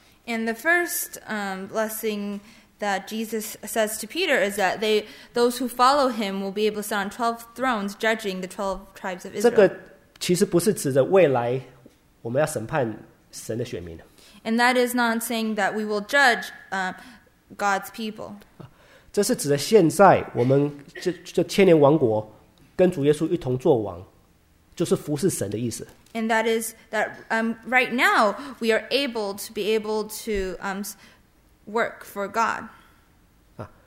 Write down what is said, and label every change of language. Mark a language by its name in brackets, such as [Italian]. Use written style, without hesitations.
[English] And the first blessing that Jesus says to Peter is that those who follow him will be able to sit on 12 thrones judging the 12 tribes of Israel. [Chinese] 这个其实不是指着未来我们要审判神的选民。 [English] And that is not saying that we will judge God's people. [Chinese] 这是指的现在我们这千年王国跟主耶稣一同作王，就是服侍神的意思。 [English] And that is that right now we are able to be able to work for God.